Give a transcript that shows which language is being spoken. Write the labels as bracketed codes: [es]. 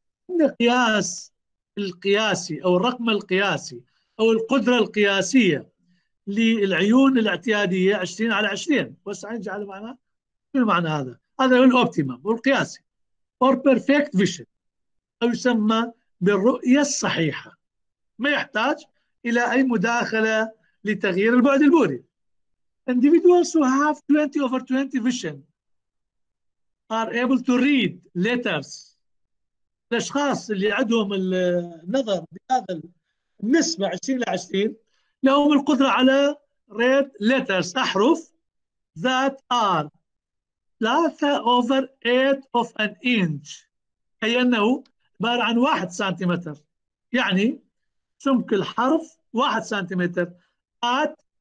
[ar] القياس القياسي أو الرقم القياسي أو القدرة القياسية للعيون الاعتيادية 20 على 20، بس نجعل معنى شنو معنى هذا؟ هذا هو الاوبتيمم والقياسي. [en] Or perfect vision، [ar] أو يسمى بالرؤية الصحيحة. ما يحتاج إلى أي مداخلة لتغيير البعد البؤري. [en] Individuals who have 20 over 20 vision are able to read letters. [ar] الأشخاص اللي عندهم النظر بهذا النسبة 20 إلى 20 لهم القدرة على [en] read letters، [ar] أحرف [en] that are 3/8 of an inch، [ar] أي أنه عبارة عن 1 سنتيمتر، يعني سمك الحرف 1 سنتيمتر [en] at